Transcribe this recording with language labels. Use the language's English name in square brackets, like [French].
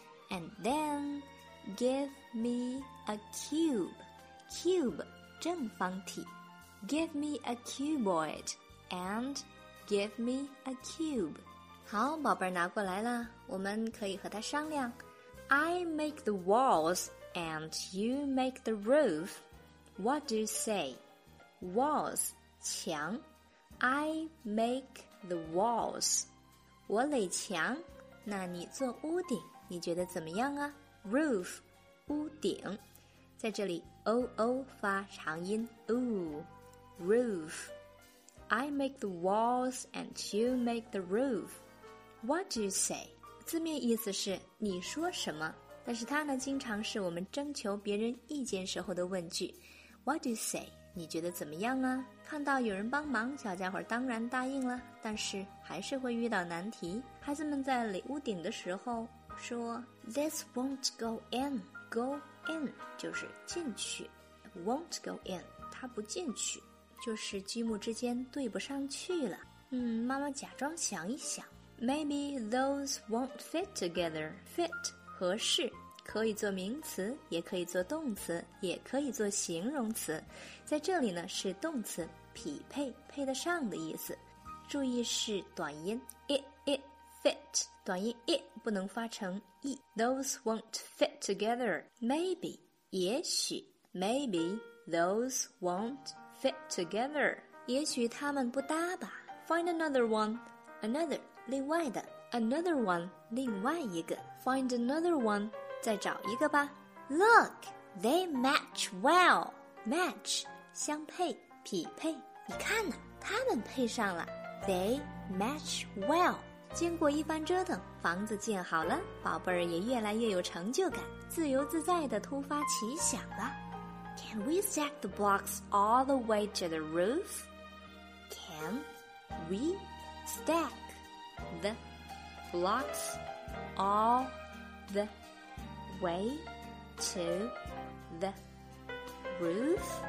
[English] And then give me a cube. Cube 正方体。Give me a cuboid. And give me a cube. [Chinese] 好，宝贝儿拿过来了，我们可以和他商量。 [English] I make the wallsAnd you make the roof. What do you say? Walls, 墙。 I make the walls. [Chinese] 我垒墙，那你做屋顶，你觉得怎么样啊？ [English] Roof, 屋顶。 [Chinese] 在这里 ,OO 发长音 ,OO。 [English] Roof. I make the walls and you make the roof. What do you say? [Chinese] 字面意思是你说什么，但是它呢经常是我们征求别人意见时候的问句。 [English] What do you say? [Chinese] 你觉得怎么样啊？看到有人帮忙，小家伙当然答应了，但是还是会遇到难题。孩子们在垒屋顶的时候说， [English] This won't go in. [Chinese] Go in 就是进去， [English] won't go in [Chinese] 它不进去，就是积木之间对不上去了。妈妈假装想一想， [English] Maybe those won't fit together. [Chinese] Fit合适，可以做名词，也可以做动词，也可以做形容词。在这里呢是动词，匹配，配得上的意思。注意是短音 it fit， 短音 it 不能发成 e。 [English] Those won't fit together. [Chinese] Maybe 也许， [English] Maybe those won't fit together. [Chinese] 也许他们不搭吧。 [English] Find another one. [Chinese] Another 另外的。 [English] Another one, [Chinese] 另外一个。 [English] Find another one, [Chinese] 再找一个吧。 [English] Look, they match well. [Chinese] Match, 相配，匹配。你看呢，他们配上了。 [English] They match well. [Chinese] 经过一番折腾，房子建好了，宝贝儿也越来越有成就感，自由自在地突发奇想了。 [English] Can we stack the blocks all the way to the roof? Can we stack the blocks all the way to the roof?